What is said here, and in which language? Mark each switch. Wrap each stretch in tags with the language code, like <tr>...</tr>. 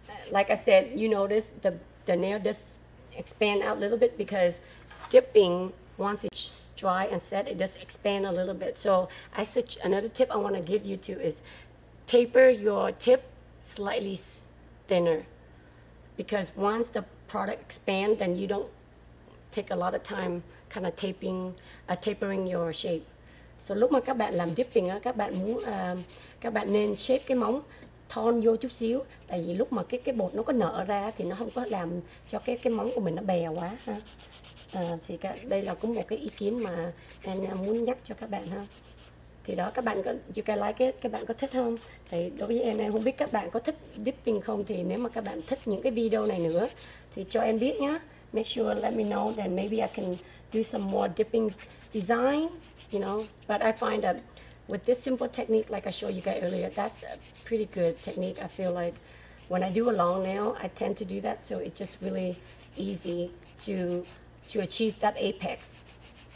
<en>Like I said, you notice the nail does expand out a little bit, because dipping, once it's dry and set, it does expand a little bit. So I such another tip I want to give you too is taper your tip slightly thinner, because once the product expands, then you don't take a lot of time kind of tapering your shape.</en> <vi>So lúc mà các bạn làm dipping á, các bạn muốn các bạn nên shape cái móng thon vô chút xíu, tại vì lúc mà cái bột nó có nở ra thì nó không có làm cho cái móng của mình nó bèo quá ha. Thì đây là cũng một cái ý kiến mà em muốn nhắc cho các bạn ha. Thì đó, các bạn có,</vi> <en>you can like it,</en> <vi>các bạn có thích không? Thì đối với em không biết các bạn có thích dipping không, thì nếu mà các bạn thích những cái video này nữa thì cho em biết nhé.</vi> <en>Make sure let me know, then maybe I can do some more dipping design, you know. But I find that with this simple technique like I showed you guys earlier, that's a pretty good technique. I feel like when I do a long nail, I tend to do that, so it's just really easy to achieve that apex.</en>